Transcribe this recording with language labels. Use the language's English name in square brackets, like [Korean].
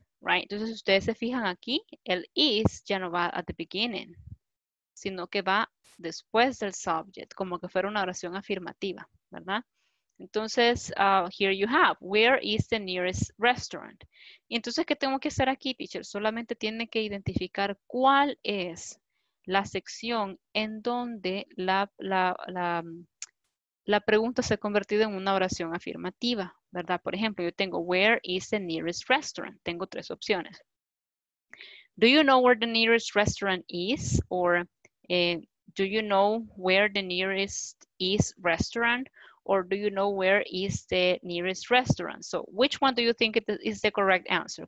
[Spanish] Right? Entonces ustedes se fijan aquí, el is ya no va [English] at the beginning, [Spanish] sino que va después del subject, como que fuera una oración afirmativa, ¿verdad? [English] Entonces, here you have, where is the nearest restaurant? [Spanish] Entonces, ¿qué tengo que hacer aquí, teacher? Solamente tiene que identificar cuál es la sección en donde la pregunta se ha convertido en una oración afirmativa, ¿verdad? Por ejemplo, yo tengo, [English] where is the nearest restaurant? [Spanish] Tengo tres opciones. [English] Do you know where the nearest restaurant is? Or do you know where the nearest is restaurant? Or do you know where is the nearest restaurant? So which one do you think is the correct answer?